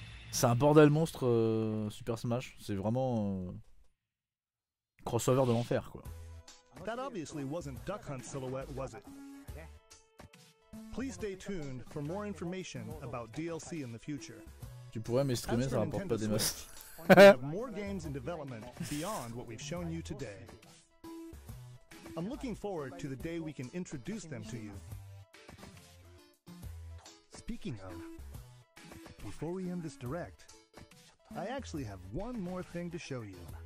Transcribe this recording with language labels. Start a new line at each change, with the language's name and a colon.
French: C'est un bordel monstre Super Smash, c'est vraiment crossover de l'enfer quoi.
English: That obviously wasn't Duck Hunt's silhouette, was it? Please stay tuned for more information about DLC in the future.
French: Tu pourrais me streamer, ça rapporte pas des masses.
English: We have more games in development beyond what we've shown you today. I'm looking forward to the day we can introduce them to you. Speaking of, before we end this direct, I actually have one more thing to show you.